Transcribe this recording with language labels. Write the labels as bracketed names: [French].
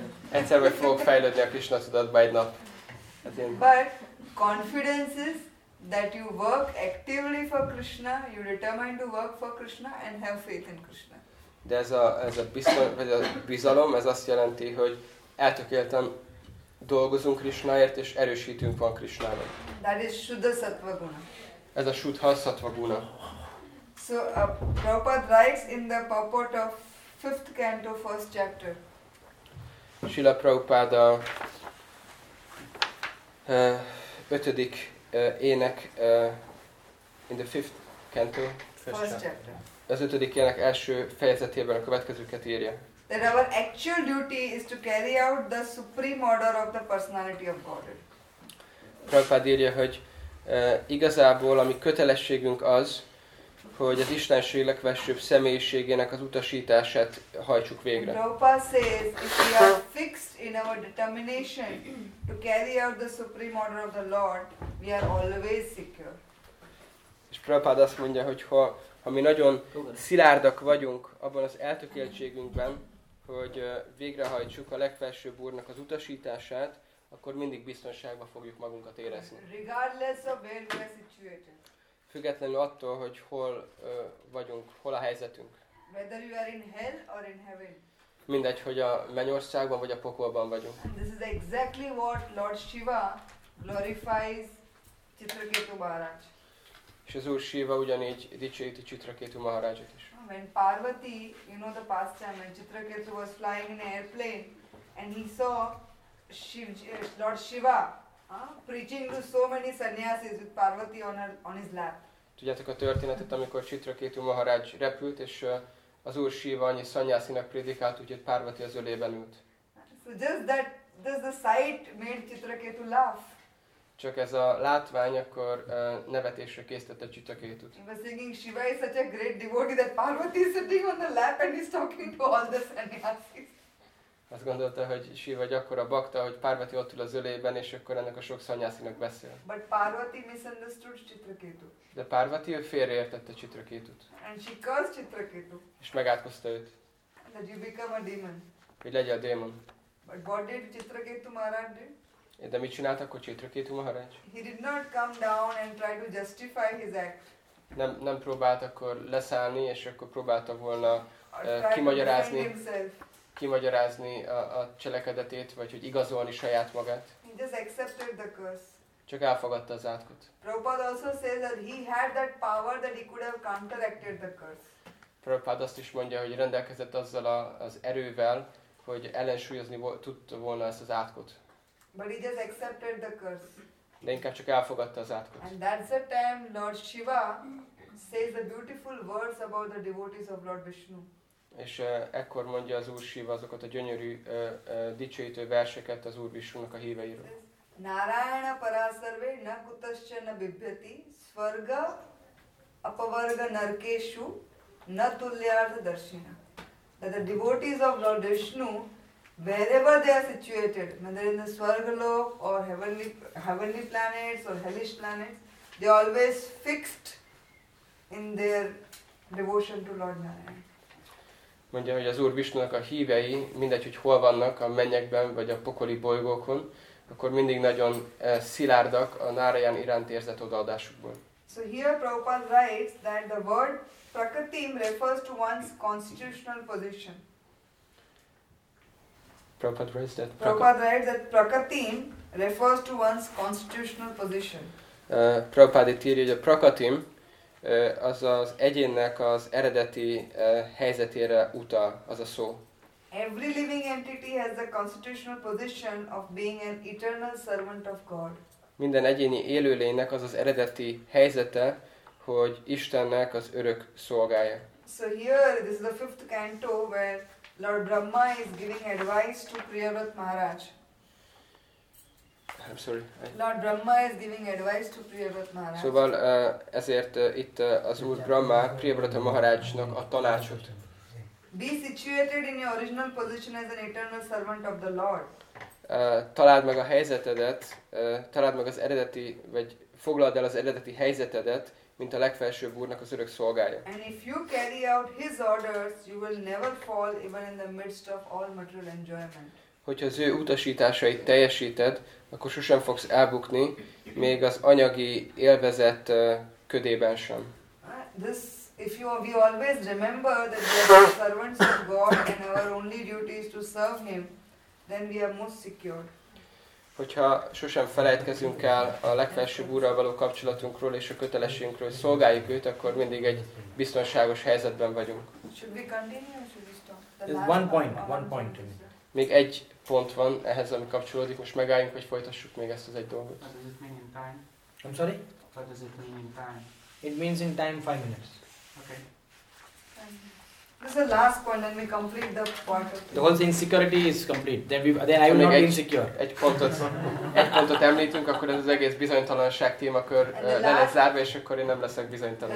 [Hungarian] Egyszer majd fogok, fejlődni a Krishna tudatba egy nap. Hát én... [English] But confidence is that you work actively for Krishna, you determine to work for Krishna and have faith in Krishna. [Hungarian] De ez a bizalom, ez azt jelenti, hogy eltökélten dolgozunk Krishnáért, és erősítünk van Krishnában. [English] That is Shuddha Sattva Guna. [Hungarian] Ez a Shuddha Sattva Guna. [English] So, Prabhupada writes in the purport of 5th canto, 1st chapter. [Hungarian] Srila Prabhupada 5. ének, [English] in the 5th canto, 1st chapter. [Hungarian] Az ötödik ének első fejezetében a következőket írja. [English] That our actual duty is to carry out the supreme order of the personality of God. [Hungarian] Prabhupada írja, hogy igazából ami kötelességünk az, hogy az Istenség legfelsőbb személyiségének az utasítását hajtsuk végre. [English] Prabhupada says, if we are fixed in our determination to carry out the supreme order of the Lord, we are always secure. [Hungarian] És Prabhupada azt mondja, hogy ha mi nagyon szilárdak vagyunk abban az eltökéltségünkben, hogy végrehajtsuk a legfelsőbb úrnak az utasítását, akkor mindig biztonságban fogjuk magunkat érezni. [English] Regardless of where we are situated. [Hungarian] Függetlenül attól, hogy hol vagyunk, hol a helyzetünk. [English] Whether you are in hell or in heaven. [Hungarian] Mindegy, hogy a mennyországban vagy a pokolban vagyunk. [English] And this is exactly what Lord Shiva glorifies Chitraketu Maharaj. [Hungarian] És az Úr Shiva ugyanígy dicséti Chitraketu Maharajot is. [English] When Parvati, you know the pastime, Chitraketu was flying in an airplane and he saw Lord Shiva preaching to so many sannyasis with Parvati on his lap. [Hungarian] Tudjátok a történetet, amikor Chitraketu Maharaj repült, és az Úr Shiva annyi szanyászinak prédikált, úgyhogy Parvati az ölében ült. [English] So just that, just the sight made Chitraketu laugh. [Hungarian] Csak ez a látvány akkor nevetésre késztette Chitraketut. [English] He was thinking Shiva is such a great devotee that Parvati is sitting on the lap and he's talking to all the sannyasis. [Hungarian] Azt gondolta, hogy Shiva gyakora bakta, hogy Parvati ott ül az ölében, és akkor ennek a sok szanyászinak beszél. [English] But Parvati misunderstood Chitraketu. [Hungarian] De Parvati ő félreértette Chitraketut. [English] And she cursed Chitraketu. [Hungarian] És megátkozta őt. [English] That you become a demon. [Hungarian] Hogy legyen a démon. [English] But what did Chitraketu Maharaj do? [Hungarian] De mit csinált akkor Chitraketu Maharaj? [English] He did not come down and try to justify his act. [Hungarian] Nem próbált akkor leszállni, és akkor próbálta volna kimagyarázni kimagyarázni a cselekedetét, vagy hogy igazolni saját magát. [English] He just accepted the curse. [Hungarian] Csak elfogadta az átkot. [English] Prabhupada also says that he had that power that he could have counteracted the curse. [Hungarian] Prabhupada azt is mondja, hogy rendelkezett azzal az erővel, hogy ellensúlyozni tudta volna ezt az átkot. [English] But he just accepted the curse. [Hungarian] De inkább csak elfogadta az átkot. [English] And that's the time Lord Shiva says the beautiful words about the devotees of Lord Vishnu. [Hungarian] És ekkor mondja az Úr Shiva azokat a gyönyörű dicsőítő verseket az Úr Vishnunak a híveiről. [Sanskrit] Narayana parasarve na kutascha na bibhyati svarga apavarga narkeshu na tulyartha darshina. [English] That the devotees of Lord Vishnu, wherever they are situated, whether in the Swargalok or heavenly planets or hellish planets, they are always fixed in their devotion to Lord Narayana. [Hungarian] Mondja, hogy az Úr Vishnunak a hívei, mindegy, hogy hol vannak, a mennyekben vagy a pokoli bolygókon, akkor mindig nagyon szilárdak a Narayan iránt érzett odaadásukból. [English] So here Prabhupada writes that the word prakriti refers to one's constitutional position. Prabhupada writes that prakriti refers to one's constitutional position. [Hungarian] Prabhupada itt írja, hogy a prakriti az az egyénnek az eredeti helyzetére utal, az a szó. [English] Every living entity has a constitutional position of being an eternal servant of God. [Hungarian] Minden egyéni élőlénynek az az eredeti helyzete, hogy Istennek az örök szolgája. [English] So here, this is the fifth canto where Lord Brahma is giving advice to Priyavrata Maharaj. I'm sorry. Lord Brahma is giving advice to Priyavrata Maharaj. [Hungarian] Szóval ezért itt az Úr Brahma Priyavrata Maharajnak a tanácsot. [English] Be situated in your original position as an eternal servant of the Lord. [Hungarian] Találd meg a helyzetedet, találd meg az eredeti, vagy foglald el az eredeti helyzetedet, mint a legfelsőbb úrnak az örök szolgája. [English] And if you carry out his orders, you will never fall even in the midst of all material enjoyment. [Hungarian] Hogyha az ő utasításait teljesíted, akkor sosem fogsz elbukni, még az anyagi élvezet ködében sem. [English] This, if you, we always remember that we are servants of God and our only duty is to serve him, then we are most secured. [Hungarian] Hogyha sosem felejtkezünk el a legfelsőbb úrral való kapcsolatunkról és a kötelességünkről, hogy szolgáljuk őt, akkor mindig egy biztonságos helyzetben vagyunk. [English] Should we continue or should we stop? There's one point. [Hungarian] Még egy pont van ehhez, ami kapcsolódik, most megálljunk, hogy folytassuk még ezt az egy dolgot. [English] What does it mean in time? I'm sorry? What does it mean in time? It means in time 5 minutes. Okay. This is the last point, then we complete the part of it. The whole thing, security is complete. Then I will not be insecure. [Hungarian] Egy pontot említünk, akkor ez az egész bizonytalanság témakör le lesz zárva, és akkor én nem leszek bizonytalan.